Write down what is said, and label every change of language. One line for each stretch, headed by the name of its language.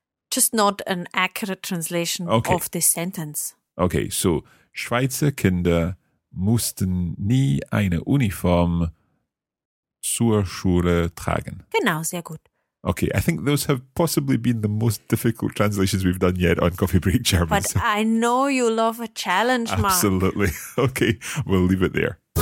English: Just not an accurate translation of this sentence.
German: Okay, so Schweizer Kinder mussten nie eine Uniform zur Schule tragen. Genau, sehr gut.
English: Okay, I think those have possibly been the most difficult translations we've done yet on Coffee Break German. But so. I know you love a challenge, Mark. Absolutely. Okay, we'll leave it there.